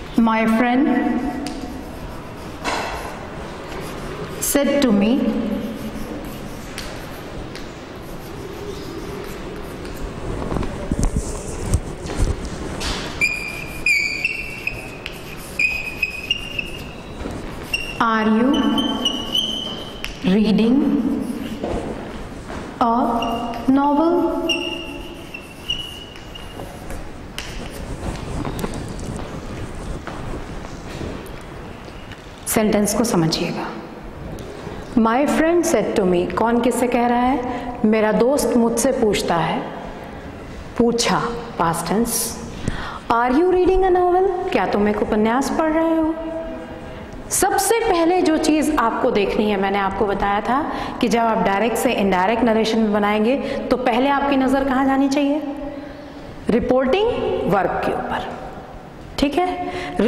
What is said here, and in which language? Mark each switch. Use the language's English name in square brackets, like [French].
[English] My friend said to me, Are you reading a novel? [Hindi] Sentence को समझिएगा। [English] My friend said to me, [Hindi] कौन किससे कह रहा है? मेरा दोस्त मुझसे पूछता है, पूछा past tense, [English] Are you reading a novel? [Hindi] क्या तुम एक उपन्यास पढ़ रहे हो? सबसे पहले जो चीज आपको देखनी है, मैंने आपको बताया था कि जब आप डायरेक्ट से इनडायरेक्ट नरेशन बनाएंगे तो पहले आपकी नजर कहां जानी चाहिए, रिपोर्टिंग वर्ब के ऊपर, ठीक है।